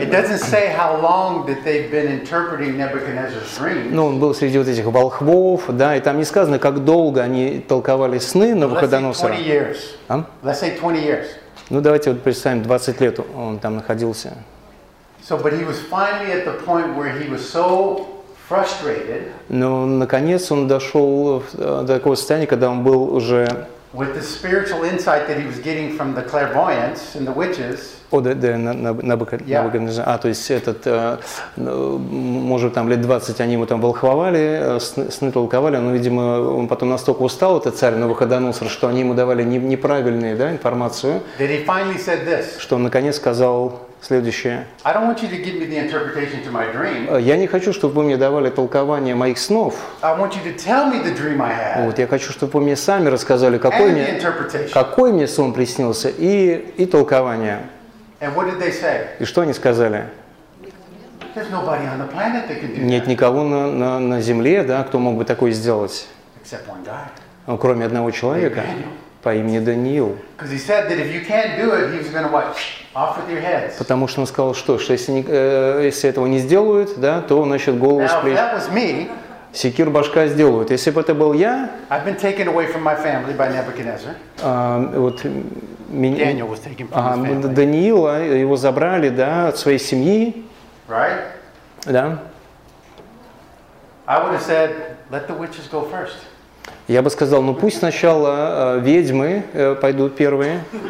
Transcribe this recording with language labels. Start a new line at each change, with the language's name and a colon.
English: It doesn't say how long that they've been interpreting Nebuchadnezzar's dreams.
Russian: Ну, он был среди вот этих волхвов, да, и там не сказано, как долго они толковали сны Навуходоносора.
English: Let's say 20 years. Let's say 20 years.
Russian: Ну, давайте вот представим, 20 лет он там находился.
English: So, but he was finally at the point where he was so frustrated.
Russian: Но наконец он дошел до такого состояния, когда он был уже
English: with the spiritual insight that he was getting from the clairvoyants and the witches.
Russian: А то есть этот, может, там лет 20 они ему там волхвовали, сны толковали, но, видимо, он потом настолько устал, этот царь Навуходоносор, что они ему давали неправильную, да, информацию.
English: That he finally said this.
Russian: Что он наконец сказал следующее.
English: I don't want you to give me the interpretation to my dream.
Russian: Я не хочу, чтобы вы мне давали толкование моих снов.
English: I want you to tell me the dream I had.
Russian: Вот, я хочу, чтобы вы мне сами рассказали, какой мне сон приснился и толкование.
English: And what did they say?
Russian: И что они сказали?
English: There's nobody on the planet that can do that.
Russian: Нет никого на Земле, да, кто мог бы такое сделать.
English: Except one guy.
Russian: Ну, кроме одного человека. По имени Даниил.
English: Because he said that if you can't do it, he's going to what? Off with your heads.
Russian: Потому что он сказал, что если этого не сделают, да, то он начнет голову
English: Now,
Russian: с плеч.
English: If that was me,
Russian: секир башка сделают. Если бы это был я,
English: I've been taken away from my family by Nebuchadnezzar.
Russian: Вот,
English: Daniel was taken from his family.
Russian: Даниила его забрали, да, от своей семьи.
English: Right?
Russian: Да.
English: I would have said, let the witches go first.
Russian: Я бы сказал, ну пусть сначала ведьмы пойдут первые.